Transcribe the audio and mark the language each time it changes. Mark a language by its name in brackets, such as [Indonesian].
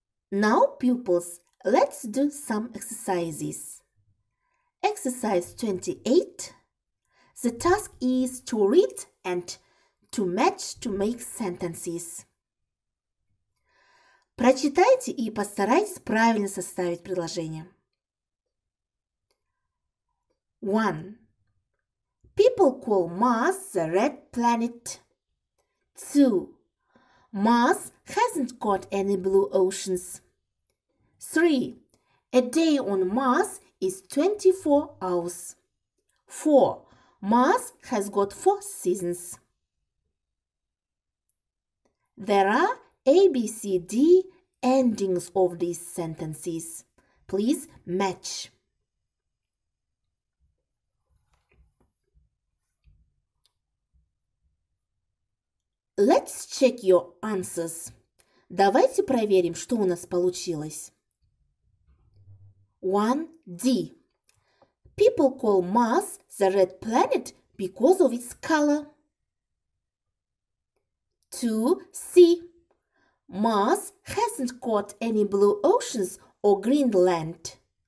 [English] Now, pupils, let's do some exercises. Exercise 28. The task is to read and to match to make sentences. [Russian] Прочитайте и постарайтесь правильно составить предложение. [English] 1. People call Mars the red planet. 2. Mars hasn't got any blue oceans. 3. A day on Mars is 24 hours. 4. Mars has got four seasons. There are A, B, C, D endings of these sentences. Please match. Listen Let's check your answers. [Russian] Давайте проверим, что у нас получилось. [English] 1D. People call Mars the red planet because of its color. 2C. Mars hasn't got any blue oceans or green land.